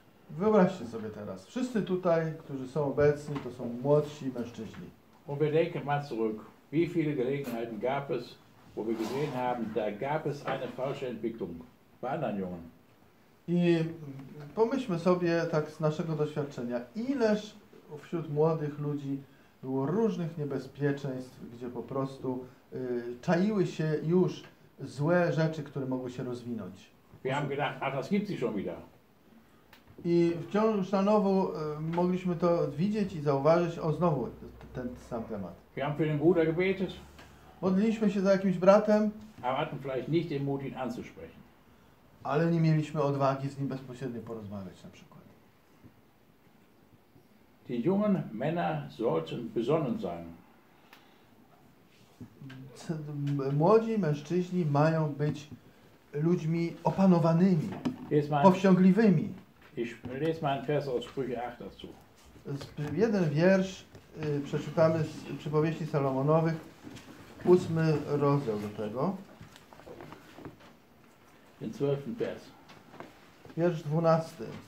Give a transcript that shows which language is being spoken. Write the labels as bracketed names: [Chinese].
[Polish] Wyobraźcie sobie teraz, wszyscy tutaj, którzy są obecni, to są młodsi mężczyźni. [German] Überdenken mal zurück, wie viele Gelegenheiten gab es, wo wir gesehen haben, da gab es eine falsche Entwicklung bei anderen Jungen. [Polish] I pomyślmy sobie tak z naszego doświadczenia, ileż wśród młodych ludzi było różnych niebezpieczeństw, gdzie po prostu czaiły się już złe rzeczy, które mogły się rozwinąć. [German] Wir haben gedacht, das gibt's schon wieder. [Polish] I wciąż na nowo mogliśmy to widzieć i zauważyć, o znowu ten sam temat. [German] Wir haben für den Bruder gebetet. [Polish] Modliliśmy się za jakimś bratem. [German] Aber hatten vielleicht nicht den Mut, ihn anzusprechen. [Polish] Ale nie mieliśmy odwagi z nim bezpośrednio porozmawiać, na przykład. [German] Die jungen Männer sollten besonnen sein. [Polish] Młodzi mężczyźni mają być ludźmi opanowanymi, powściągliwymi. [German] Ich lese mal einen Vers aus Sprüche 8 dazu. [Polish] Jeden wiersz przeczytamy z Przypowieści Salomonowych, 8 rozdział do tego. [German] Den 12. Vers. [Polish] Wiersz 12.